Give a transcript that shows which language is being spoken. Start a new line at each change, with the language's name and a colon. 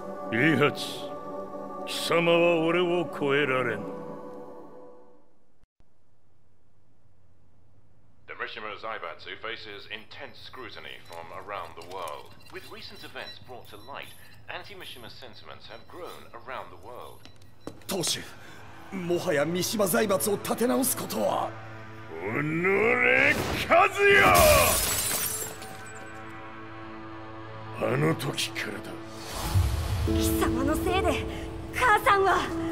Japanese: リハチ、貴様は俺を超えられん。
English: Zaibatsu faces intense scrutiny from around the world. With recent events brought to light, anti-Mishima sentiments have grown around the world.
Japanese: 当主、もはや三島財閥を立て直すことは… うぬれ、カズヤ！あの時からだ。貴様のせいで、母さんは…